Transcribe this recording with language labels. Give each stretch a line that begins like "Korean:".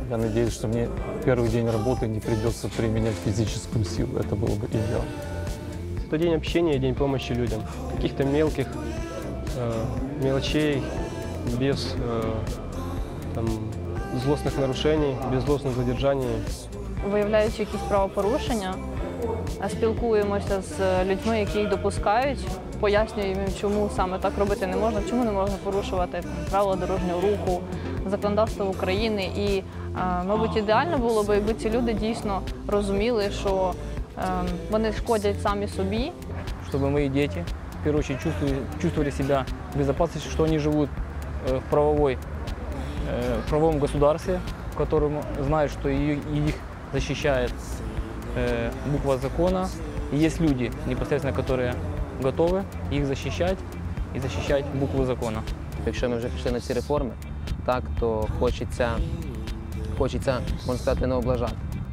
Russian: Я надеюсь, что мне в первый день работы не придется применять физическую силу. Это было бы идеально. Это день общения, день помощи людям. Каких-то мелких мелочей, без там, злостных нарушений, без злостных задержаний.
Ukrainian: Виявляючи якісь правопорушення, спілкуємося з людьми, які їх допускають, пояснюємо їм, чому саме так робити не можна, чому не можна порушувати правила дорожнього руху, законодавство України. І, мабуть, ідеально було б, якби ці люди дійсно розуміли, що вони шкодять самі собі. Щоб мої діти, в першу чергу, відчували себе в безпеці, що вони живуть в правовому державі, в якому знають, що їх
Russian: защищает буква закона. И есть люди, непосредственно, которые готовы их защищать и защищать букву закона. Если мы уже пришли на эти реформы, так, то хочется, можно сказать, не облажать.